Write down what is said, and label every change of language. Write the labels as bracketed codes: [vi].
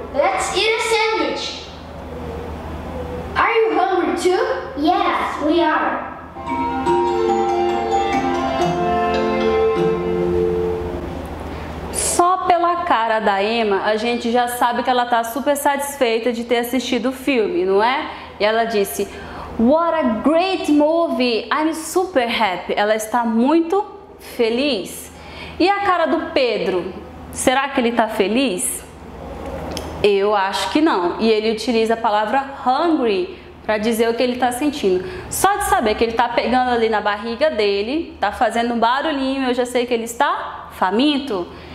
[en] Let's eat a sandwich. Are you hungry too? Yes, we are. [pt] Pela cara da Emma, a gente já sabe que ela tá super satisfeita de ter assistido o filme, não é? E ela disse, [en] what a great movie, I'm super happy. [pt] Ela está muito feliz. E a cara do Pedro, será que ele tá feliz? Eu acho que não. E ele utiliza a palavra hungry para dizer o que ele tá sentindo. Só de saber que ele tá pegando ali na barriga dele, tá fazendo um barulhinho, eu já sei que ele está faminto.